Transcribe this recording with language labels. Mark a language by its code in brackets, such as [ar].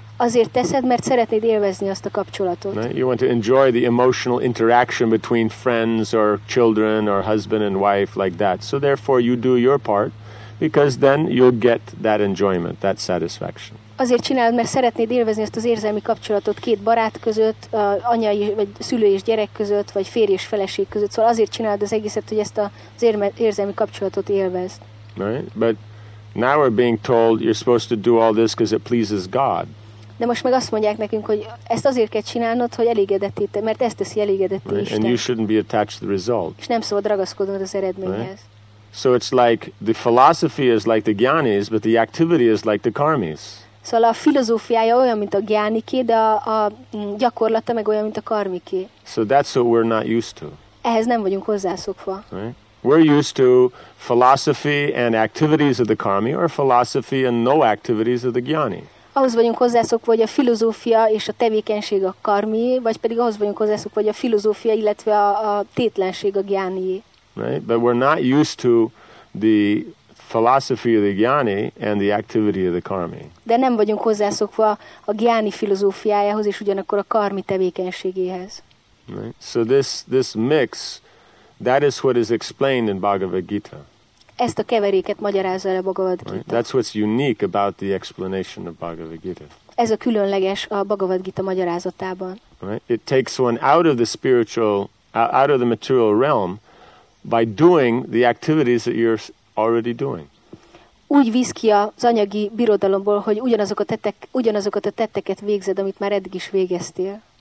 [hu] Azért teszed, mert szeretnéd élvezni azt a kapcsolatot. [en] Right? You want to enjoy the emotional interaction between friends or children or husband and wife like that. So therefore you do your part because then you'll get that enjoyment, that satisfaction. [hu] Azért csinálod, mert szeretnéd élvezni azt az érzelmi kapcsolatot két barát között, anyai vagy szülő és gyerek között, vagy férj és feleség között. Szóval azért csinálod az egészet, hogy ezt az érzelmi kapcsolatot élvezd. [en] Right? But now we're being told you're supposed to do all this because it pleases God. [hu] De most meg azt mondják nekünk, hogy ezt azért kell csinálnod, hogy elégedetté, mert ezt teszi elégedetté Isten. [en] And you shouldn't be attached to the result. [hu] És nem szabad ragaszkodnod az eredményhez. [en] Right? So it's like the philosophy is like the gyanis, but the activity is like the karmis. [hu] Szóval a filozófiája olyan, mint a gyániké, de a gyakorlata meg olyan, mint a karmiké. [en] So that's what we're not used to. [hu] Ehhez nem vagyunk hozzászokva. [en] Right? We're used to philosophy and activities of the karmi, or philosophy and no activities of the gyani. [hu] Ahhoz vagyunk hozzászokva, hogy a filozófia és a tevékenység a karmi, vagy pedig ahhoz vagyunk hozzászokva, hogy a filozófia, illetve a tétlenség a gyáni. [en] Right? But we're not used to the philosophy of the gyani and the activity of the karmi. [hu] De nem vagyunk hozzászokva a gyáni filozófiájához és ugyanakkor a karmi tevékenységéhez. [en] Right. So this mix, that is what is explained in Bhagavad Gita. [hu] Ezt a keveréket magyarázza el a Bhagavad Gita. [en] Right. That's what's unique about the explanation of Bhagavad Gita. [hu] Ez a különleges a Bhagavad Gita magyarázatában. [en] Right. It takes one out of the spiritual, out of the material realm by doing the activities that you're already doing. [hu] Úgy visz ki az anyagi birodalomból, hogy ugyanazokat a tetteket végzed, amit már eddig is végeztél.